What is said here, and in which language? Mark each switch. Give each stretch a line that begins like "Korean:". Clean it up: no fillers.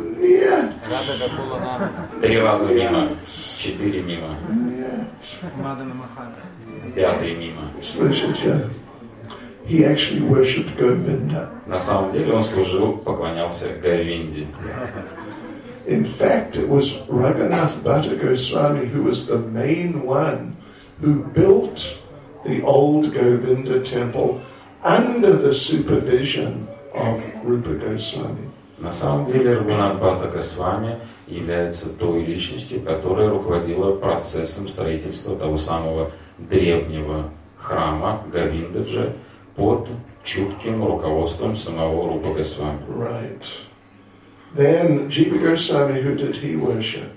Russian: Нет. Три раза мимо. Четыре мимо. Нет. Мадана Махана. Пятый мимо. Слышите?
English: He actually worshipped Govinda.
Russian: На самом деле он служил, поклонялся Говинде.
English: In fact, it was Raghunath Bhatta Goswami who was the main one who built the old Govinda temple under the supervision of Rupa Goswami.
Russian: На самом деле Раганат Бхатта Госвами является той личностью, которая руководила процессом строительства того самого древнего храма Говиндаджи под чутким руководством самого Рупа Госвами.
English: Right. Then Jiva Goswami, who did he worship?